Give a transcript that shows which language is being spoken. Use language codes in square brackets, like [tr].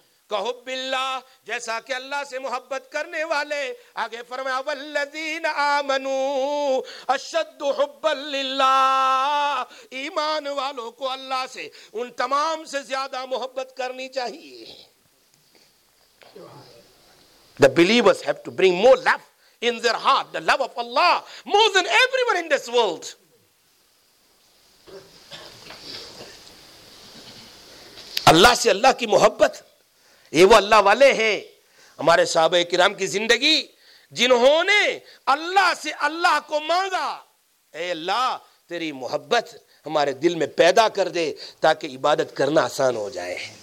[ur] کہو باللہ جیسا کہ اللہ سے محبت کرنے والے, آگے فرمایا [ar] والذین آمنوا اشد حبا للہ, [ur] ایمان والوں کو اللہ سے ان تمام سے زیادہ محبت کرنی چاہیے. [en] The believers have to bring more love in their heart, the love of Allah more than everyone in this world. [ur] اللہ سے اللہ کی محبت, یہ وہ اللہ والے ہیں. ہمارے صحابہ کرام کی زندگی, جنہوں نے اللہ سے اللہ کو مانگا, اے اللہ تیری محبت ہمارے دل میں پیدا کر دے تاکہ عبادت کرنا آسان ہو جائے.